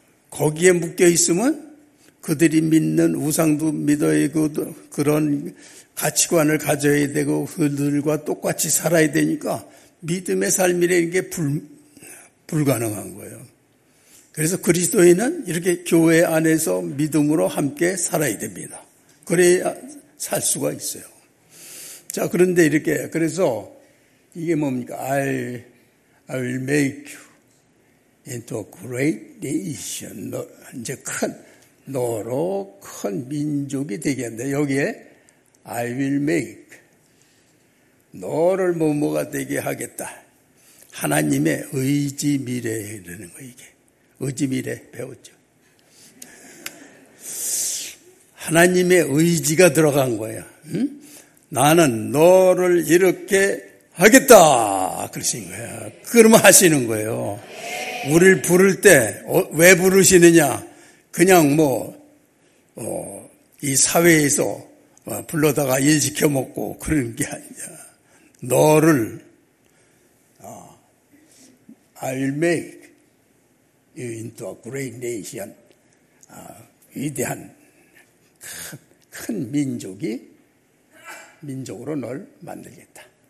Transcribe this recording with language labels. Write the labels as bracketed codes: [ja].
[ko] 거기에 묶여 있으면 그들이 믿는 우상도 믿어야 되고 그런 가치관을 가져야 되고 그들과 똑같이 살아야 되니까 믿음의 삶이라는 게 불가능한 거예요. 그래서 그리스도인은 이렇게 교회 안에서 믿음으로 함께 살아야 됩니다. 그래야 살 수가 있어요. 자, 그런데 이렇게, 그래서 이게 뭡니까? [en] I will make you into a great nation. [ko] 너, 이제 너로 큰 민족이 되겠는데, 여기에 [en] I will make, [ko] 너를 뭐뭐가 되게 하겠다. 하나님의 의지 미래라는 거, 이게. 의지 미래 배웠죠. 하나님의 의지가 들어간 거예요. 응? 나는 너를 이렇게 하겠다 그러신 거예요. 그러면 하시는 거예요. 우리를 부를 때 왜 부르시느냐? 그냥 뭐 이 사회에서 불러다가 일 시켜 먹고 그런 게 아니야. 너를 [en] I will make you into a great nation, [ko] 위대한 큰 민족이 민족으로 널 만들겠다.